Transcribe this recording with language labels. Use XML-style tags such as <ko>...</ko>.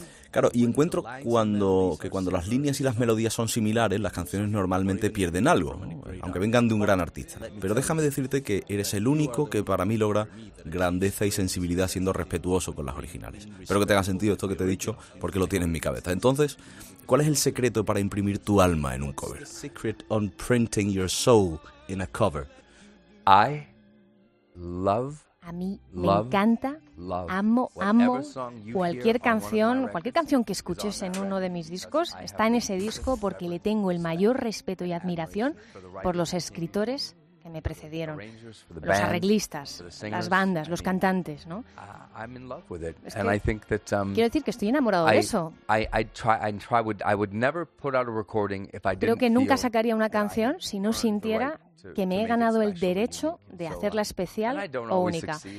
<es>Claro, y encuentro que cuando las líneas y las melodías son similares, las canciones normalmente pierden algo, ¿no? Aunque vengan de un gran artista. Pero déjame decirte que eres el único que para mí logra grandeza y sensibilidad siendo respetuoso con las originales. Espero que tenga sentido esto que te he dicho porque lo tiene en mi cabeza. Entonces, ¿cuál es el secreto para imprimir tu alma en un cover?</es> <en>Secret on printing your soul in a cover. I love.</en> <es>A mí me encanta. Amo cualquier canción que escuches en uno de mis discos está en ese disco porque le tengo el mayor respeto y admiración por los escritores que me precedieron, los arreglistas, las bandas, los cantantes, ¿no?</es> <en>I'm in love with it.</en> <es>Es que,</es> <en>and I think that,</en> <es>quiero decir que estoy enamorado de eso.</es> <en>I would never put out a recording if I didn't.</en> <es>Creo que nunca sacaría una canción si no sintiera que me he ganado el derecho de hacerla especial o única.</es>